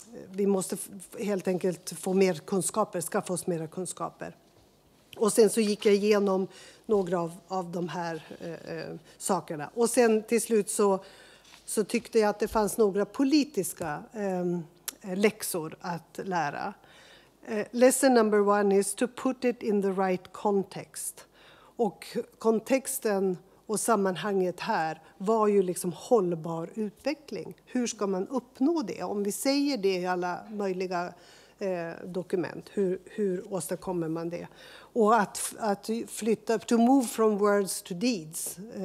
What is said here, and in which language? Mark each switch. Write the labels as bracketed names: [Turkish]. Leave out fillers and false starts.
[Swedish] Vi måste helt enkelt få mer kunskaper, skaffa oss mer kunskaper. Och sen så gick jag igenom några av de här sakerna. Och sen till slut så tyckte jag att det fanns några politiska läxor att lära. [English] Lesson number one is to put it in the right context. [Swedish] Och kontexten och sammanhanget här var ju liksom hållbar utveckling. Hur ska man uppnå det? Om vi säger det i alla möjliga dokument, hur åstadkommer man det? Och att flytta, [English] to move from words to deeds.